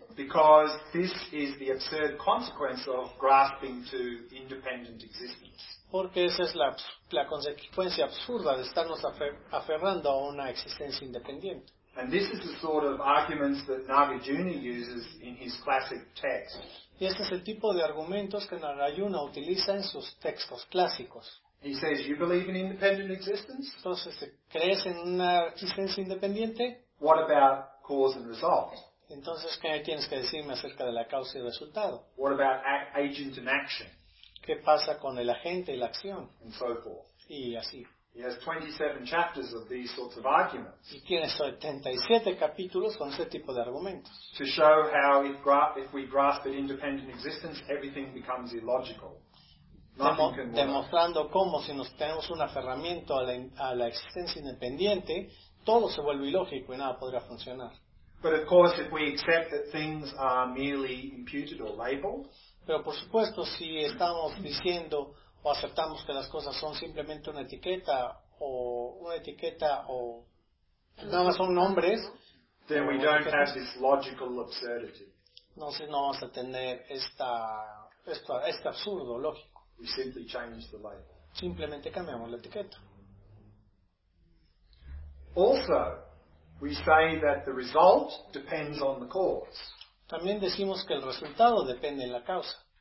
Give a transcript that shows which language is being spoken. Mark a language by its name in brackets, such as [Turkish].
[English] Because this is the absurd consequence of grasping to independent existence. [Spanish] Porque esa es la consecuencia absurda de estarnos aferrando a una existencia independiente. [English] And this is the sort of arguments that Nagarjuna uses in his classic text. [Spanish] Y este es el tipo de argumentos que Nagarjuna utiliza en sus textos clásicos. [English] He says, "You believe in independent existence?" [Spanish] Entonces, ¿crees en una existencia independiente? [English] What about cause and result? [Spanish] Entonces, ¿qué tienes que decirme acerca de la causa y el resultado? [English] What about agent and action? [Spanish] ¿Qué pasa con el agente y la acción? [English] And so forth. [Spanish] Y así. [English] He has 27 chapters of these sorts of arguments. [Spanish] Y tiene 77 capítulos con ese tipo de argumentos. [English] To show how if we grasp an independent existence, everything becomes illogical. [Spanish] Demostrando cómo si nos tenemos un aferramiento a la existencia independiente, todo se vuelve ilógico y nada podría funcionar. [English] But of course, if we accept that things are merely imputed or labeled, [Spanish] pero por supuesto, si estamos diciendo o aceptamos que las cosas son simplemente una etiqueta o nada más son nombres, [English] then we don't have this logical absurdity. [Spanish] No sé, no vamos a tener este absurdo lógico. [English] We simply change the label. [Spanish] Simplemente cambiamos la etiqueta. [English] Also, we say that the result depends on the cause. [Spanish] También decimos que el resultado depende de la causa.